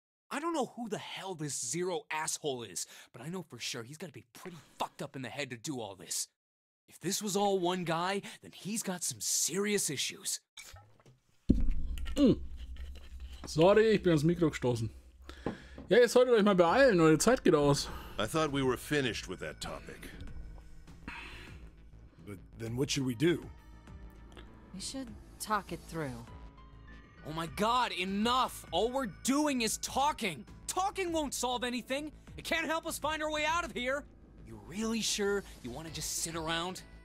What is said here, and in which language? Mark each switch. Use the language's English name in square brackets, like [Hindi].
[English] I don't know who the hell this Zero asshole is, but I know for sure he's gotta be pretty fucked up in the head to do all this. If this was all one guy, then he's got some serious issues. [German] Sorry, ich bin ans Mikro gestoßen. Ja, ihr solltet euch mal beeilen, eure Zeit geht aus. [English] I thought we were finished with that topic. But then what should we do? We should talk it through. Oh my god, enough! All we're doing is talking! Talking won't solve anything! It can't help us find our way out of here! You really sure you want to just sit around?